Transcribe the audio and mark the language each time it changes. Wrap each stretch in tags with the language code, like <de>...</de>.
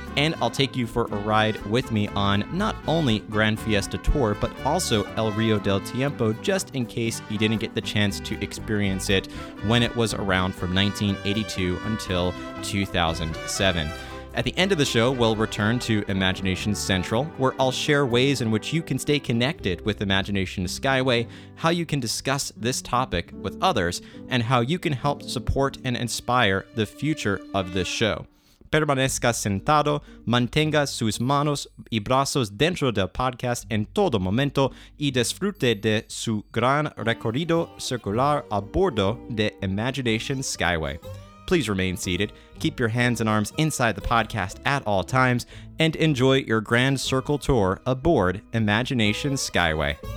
<en>And I'll take you for a ride with me on not only Gran Fiesta Tour, but also El Río del Tiempo, just in case you didn't get the chance to experience it when it was around from 1982 until 2007. At the end of the show, we'll return to Imagination Central, where I'll share ways in which you can stay connected with Imagination Skyway, how you can discuss this topic with others, and how you can help support and inspire the future of this show.</en> <es>Permanezca sentado, mantenga sus manos y brazos dentro del podcast en todo momento y disfrute de su gran recorrido circular a bordo de Imagination Skyway.</es> <en>Please remain seated, keep your hands and arms inside the podcast at all times, and enjoy your grand circle tour aboard Imagination Skyway.</en>